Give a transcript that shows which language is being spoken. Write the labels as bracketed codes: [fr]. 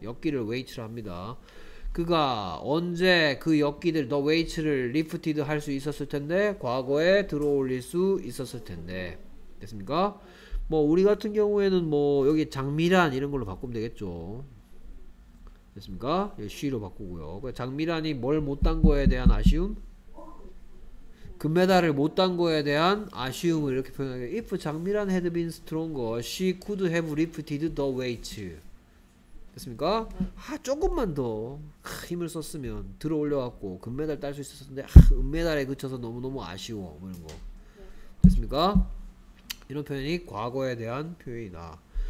[ko] 역기를 웨이트로 합니다. 그가 언제 그 역기들 더 웨이트를 리프티드 할 수 있었을 텐데 과거에 들어올릴 수 있었을 텐데. 됐습니까? 뭐 우리 같은 경우에는 뭐 여기 장미란 이런 걸로 바꾸면 되겠죠. 됐습니까? 쉬로 바꾸고요. 장미란이 뭘 못 딴 거에 대한 아쉬움? 금메달을 못 딴 거에 대한 아쉬움을 이렇게 표현하게. [en] If 장미란 had been stronger, she could have lifted the weight. [ko] 됐습니까? 아, 조금만 더 힘을 썼으면 들어 올려갖고 금메달 딸 수 있었는데 은메달에 그쳐서 너무너무 아쉬워. 뭐 이런 거. 됐습니까? 이런 표현이 과거에 대한 표현이다.